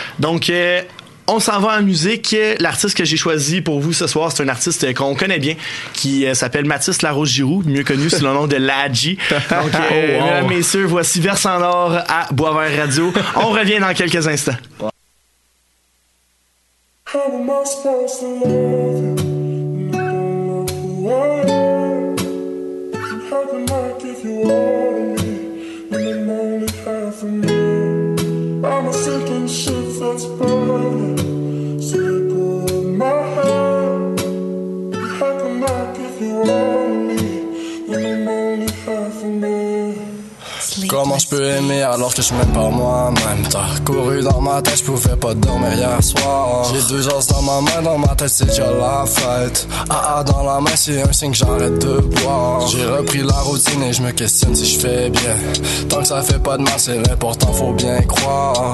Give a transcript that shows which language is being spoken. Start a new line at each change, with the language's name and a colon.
French: Donc, on s'en va en musique. L'artiste que j'ai choisi pour vous ce soir, c'est un artiste qu'on connaît bien, qui s'appelle Mathis Larose-Giroux, mieux connu sous le nom de Ladji. Donc, messieurs, voici Verse en or à Boisvert Radio. On revient dans quelques instants.
English: How am I supposed to love you when you don't know who I am? How can I give you all of me when I'm only half a man? I'm a sinking ship that's burning, slip of my hand. How can I give you all of me when I'm only half a man?
French: Comment je peux aimer alors que je m'aime pas moi-même? T'as couru dans ma tête, je pouvais pas dormir hier soir. J'ai deux os dans ma main, dans ma tête c'est déjà la fête. Ah ah, dans la main c'est un signe que j'arrête de boire. J'ai repris la routine et je me questionne si je fais bien. Tant que ça fait pas de mal, c'est l'important, faut bien y croire.